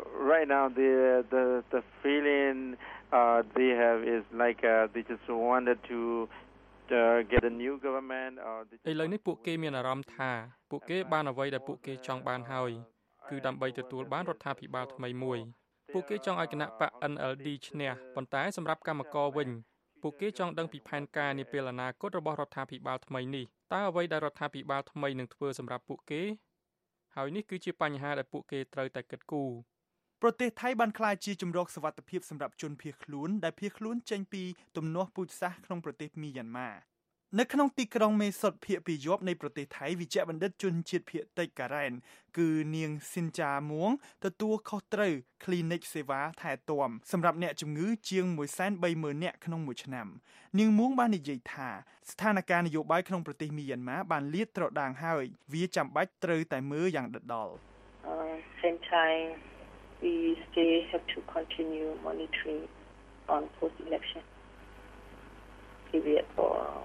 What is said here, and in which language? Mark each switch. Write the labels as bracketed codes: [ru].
[en] Right now the feeling they have is like they just wanted to get a new government [km] ឥឡូវនេះពួកគេមានអារម្មណ៍ថាពួកគេបានអ្វីដែលពួកគេចង់បានហើយគឺដើម្បីទទួលបានរដ្ឋាភិបាលថ្មីមួយពួកគេចង់ឲ្យគណៈបក NLD ឈ្នះប៉ុន្តែសម្រាប់កម្មករវិញពួកគេចង់ដឹងពីផែនការនាពេលអនាគតរបស់រដ្ឋាភិបាលថ្មីនេះតើអ្វីដែលរដ្ឋាភិបាលថ្មីនឹងធ្វើសម្រាប់ពួកគេហើយនេះគឺជាបញ្ហាដែលពួកគេត្រូវតែគិតគូរ ប្រទេសថៃបានក្លាយជាជំរកសវត្ថិភាពសម្រាប់ជនភៀសខ្លួនដែលភៀសខ្លួនចេញពីទំនាស់ពូជសាសន៍ក្នុងប្រទេសមីយ៉ាន់ម៉ានៅក្នុងទីក្រុងមេសុតភាគពាយ័ព្យនៃប្រទេសថៃវិជ្ជបណ្ឌិតជនជាតិភាគតិចការ៉ែនគឺនាងស៊ីនចាមួងទទួលខុសត្រូវគ្លីនិកសេវាថែទាំសម្រាប់អ្នកជំងឺជាង 130,000 នាក់ក្នុងមួយឆ្នាំនាងមួងបាននិយាយថាស្ថានភាពនយោបាយក្នុងប្រទេសមីយ៉ាន់ម៉ាបានលាតត្រដាងហើយវាចាំបាច់ត្រូវតែមើលយ៉ាងដិតដល់ [en] same time we still have to continue monitoring on post election period for